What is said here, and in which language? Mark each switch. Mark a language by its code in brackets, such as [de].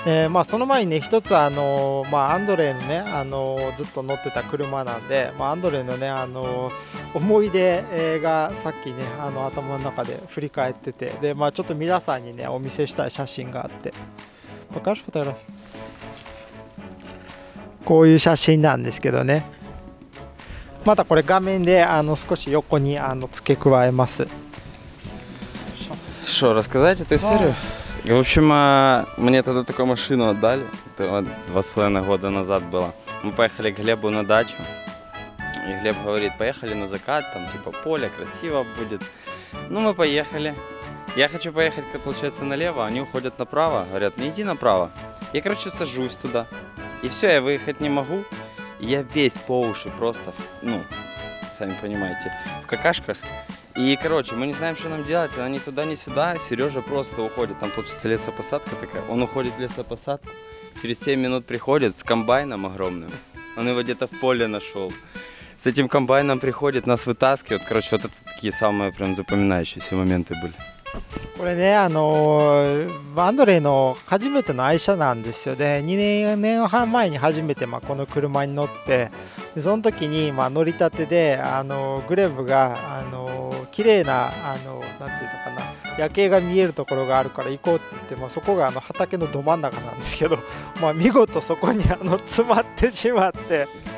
[ja] まあその前にね一つまあアンドレのねずっと乗ってた車なんで、まあアンドレのね思い出がさっきね頭の中で振り返ってて、でまあちょっと皆さんにねお見せしたい写真があって、わかるフォトグラフ、こういう写真なんですけどね、またこれ画面で少し横に付け加えます。 [ru] Что рассказать эту историю? В общем, мне тогда такую машину отдали. Это 2,5 года назад было. Мы поехали к Глебу на дачу. И Глеб говорит: "Поехали на закат, там типа поле красиво будет". Ну мы поехали. Я хочу поехать, получается, налево, они уходят направо, говорят: "Не иди направо". Я, короче, сажусь туда. И всё, я выехать не могу. Я весь по уши просто, ну, сами понимаете, в какашках. И, короче, мы не знаем, что нам делать. Она ни туда, ни сюда. Серёжа просто уходит. Там получится лесопосадка такая. Он уходит в лесопосадку. Через 7 минут приходит с комбайном огромным. Он его где-то в поле нашёл. С этим комбайном приходит, нас вытаскивает. Короче, вот это такие самые прям запоминающиеся моменты были. [ja] これね、アンドレイの初めての愛車なんですよね。 2年半前に初めて、まあ、この車に乗って、でその時に、まあ、乗りたてで、グレブが、綺麗な、なんていうのかな、夜景が見えるところがあるから行こうって言って、まあ、そこが畑のど真ん中なんですけど、まあ、見事そこに詰まってしまって、